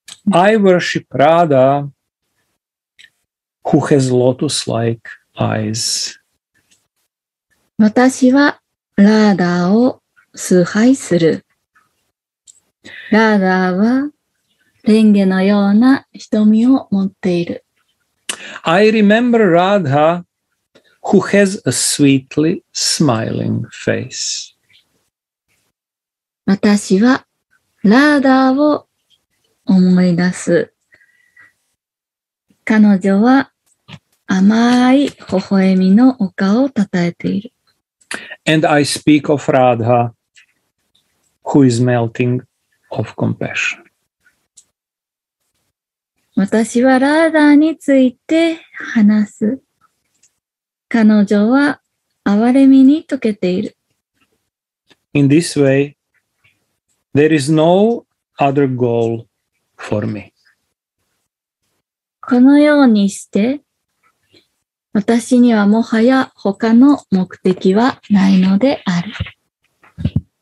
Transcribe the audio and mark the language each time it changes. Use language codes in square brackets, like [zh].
[en] I worship Radha, who has lotus-like eyes. [ja] 私はラーダを崇拝する。ラーダはレンゲのような瞳を持っている。 [en] I remember Radha, who has a sweetly smiling face. [ja] 私はラーダを思い出す。彼女は甘い微笑みのお顔をたたえている。 [en] And I speak of Radha, who is melting of compassion. [ja] 私はラーダについて話す。彼女は憐れみに溶けている。 [en] In this way, there is no other goal for me. [ja] このようにして、私にはもはや他の目的はないのである。